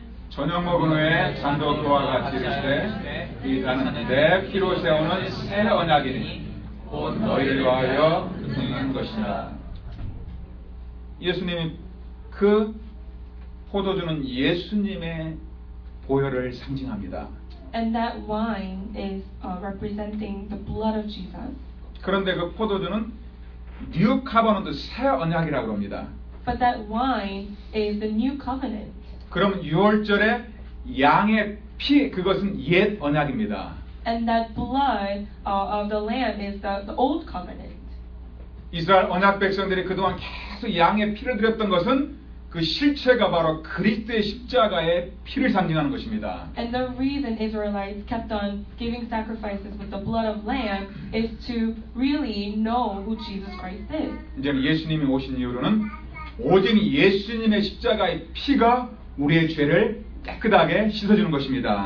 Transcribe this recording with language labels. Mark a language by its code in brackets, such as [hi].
[ko] 저녁 먹은 후에 잔도그와 같이 이르시되 이 잔은 내 피로 세우는 새 언약이니 곧 너희를 위하여 흘리는 것이다. 예수님 그 포도주는 예수님의 보혈을 상징합니다. [en] And that wine is representing the blood of Jesus. [ko] 그런데 그 포도주는 [en] 뉴 커버넌트 [ko] 새 언약이라고 합니다. [en] But that wine is the new covenant. [ko] 그럼 유월절의 양의 피 그것은 옛 언약입니다. [en] And that blood of the lamb is the old covenant. [ko] 이스라엘 언약 백성들이 그동안 계속 양의 피를 드렸던 것은 그 실체가 바로 그리스도의 십자가의 피를 상징하는 것입니다. [en] And the reason Israelites kept on giving sacrifices with the blood of lamb is to really know who Jesus Christ is. [ko] 이제 예수님이 오신 이유로는 오직 예수님의 십자가의 피가 우리의 죄를 깨끗하게 씻어주는 것입니다.